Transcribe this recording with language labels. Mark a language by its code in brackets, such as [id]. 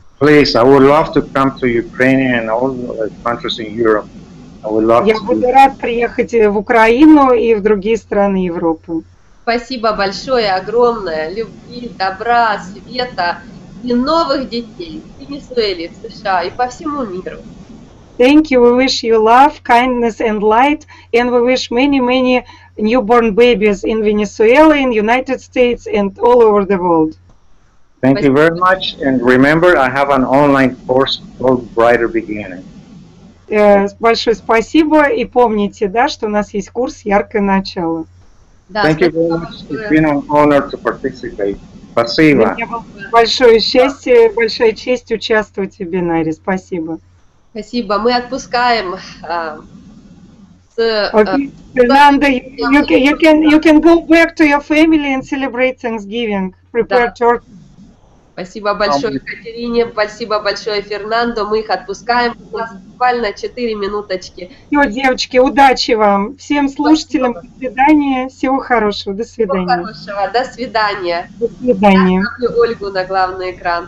[en] Please, I would love to come to Ukraine and all the countries in Europe. [ru] Я буду рад приехать в Украину и в другие страны Европы. Спасибо большое, огромное. Любви, добра, света и новых детей в Венесуэле, в США и по всему миру. [en] Thank you. We wish you love, kindness and light. And we wish many, many newborn babies in Venezuela, in United States and all over the world. Thank you very much. And remember, I have an online course called Brighter Beginning. [ru] Большое спасибо, и помните, да, что у нас есть курс «Яркое начало». [en] Да, thank you very much. It's been an honor to participate. [ru] Спасибо. Большое счастье, yeah. Большая честь участвовать в вебинаре. Спасибо. Спасибо. Мы отпускаем [en] Фернандо, you can go back to your family and celebrate Thanksgiving. Prepare turkey. [ru] Спасибо большое, Екатерине. Спасибо большое, Фернандо. Мы их отпускаем. У нас буквально 4 минуточки. Все, девочки, удачи вам. Всем слушателям спасибо. До свидания. Всего хорошего. До свидания. Всего хорошего. До свидания. До свидания. Я ставлю Ольгу на главный экран.